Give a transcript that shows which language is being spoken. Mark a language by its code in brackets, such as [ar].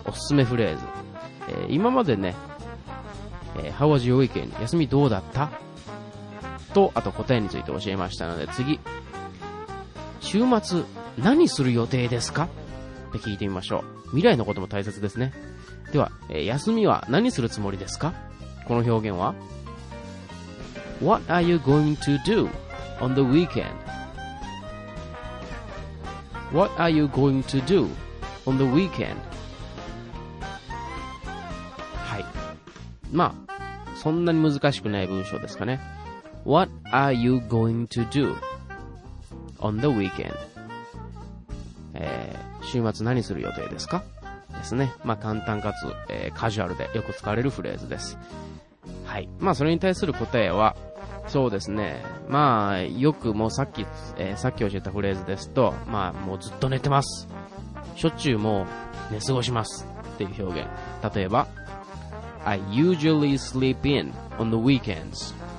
[ja] おすすめフレーズ。今までね、 [en] How was your weekend? [ja] 休みどうだった? と、あと答えについて教えましたので、次。週末、何する予定ですか? って聞いてみましょう。未来のことも大切ですね。では、休みは何するつもりですか? この表現は [en] What are you going to do on the weekend? What are you going to do on the weekend? [ja] はい。まあ、そんなに難しくない文章ですかね。 [en] What are you going to do on the weekend? [ja] 週末何する予定ですか？ですね。まあ簡単かつ、カジュアルでよく使われるフレーズです。はい。まあそれに対する答えは、そうですね。まあよくもうさっき教えたフレーズですと、まあもうずっと寝てます。しょっちゅうもう寝過ごしますっていう表現。例えば、 [en] I usually sleep in on the weekends.